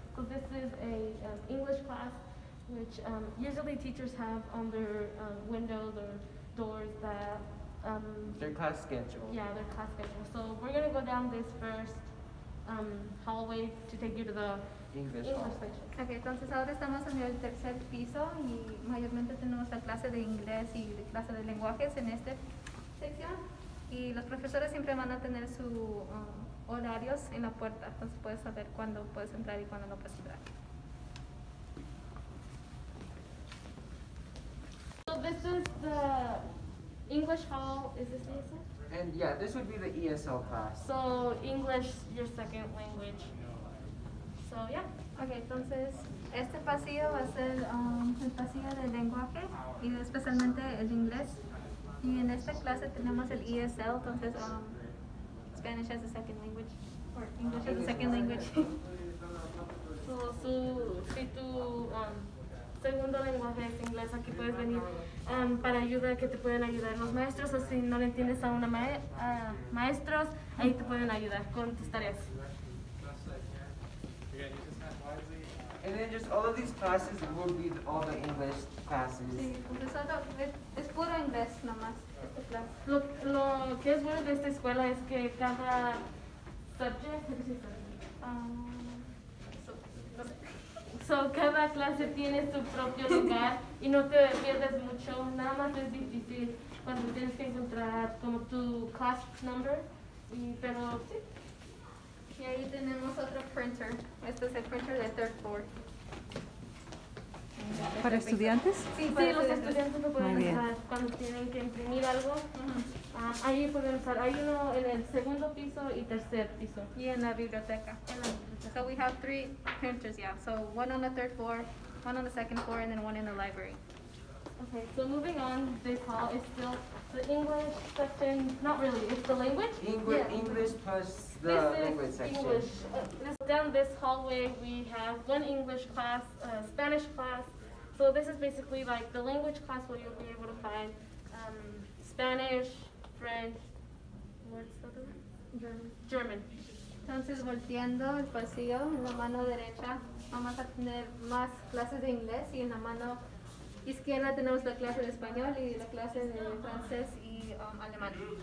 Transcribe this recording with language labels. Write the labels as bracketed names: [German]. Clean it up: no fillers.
[English] So this is an English class, which usually teachers have on their windows or doors that Their class schedule. Yeah, their class schedule. So we're gonna go down this first hallway to take you to the English [Spanish] hall. Okay, entonces ahora estamos en el tercer piso y mayormente tenemos la clase de inglés y la clase de lenguajes en esta sección. Y los profesores siempre van a tener su horarios en la puerta, entonces puedes saber cuándo puedes entrar y cuándo no puedes entrar. [English] So this is the English hall, is this the ESL? And yeah, this would be the ESL class. So English, your second language. So yeah. [Spanish] Okay, entonces este pasillo va a ser el pasillo de lenguaje y especialmente el inglés. Y en esta clase tenemos el ESL, entonces [English] Spanish as a second language, [Spanish] or English as a second language. So, si tu segundo lenguaje es inglés, aquí puedes venir para ayuda, que te pueden ayudar los maestros, o si no le entiendes a una maestros, ahí te pueden ayudar con tus tareas. [English] And then just all of these classes will be all the English classes. [Spanish] Sí, es puro inglés nomás, esta clase. Lo que es bueno de esta escuela es que cada subject, cada clase tiene su propio lugar y no te pierdes mucho. Nada más es difícil cuando tienes que encontrar como tu class number, pero sí. Y ahí tenemos otro printer. Este es el printer de [English] third floor. [Spanish] ¿Para estudiantes? Sí, los estudiantes lo pueden usar cuando tienen que imprimir algo. Uh-huh. Ahí pueden usar. Hay uno en el segundo piso y tercer piso. Y en la biblioteca. [English] So we have three printers, yeah. So one on the third floor, one on the second floor, and then one in the library. Okay, so moving on, this hall is still the English section. Not really, it's the language? English plus the language section. English. Down this hallway, we have one English class, Spanish class. So this is basically like the language class where you'll be able to find Spanish, French, what's the other one? German. [Spanish] Entonces, volteando el pasillo, en la mano derecha vamos a tener más clases de inglés y en la mano izquierda tenemos la clase de español y la clase de francés y alemán.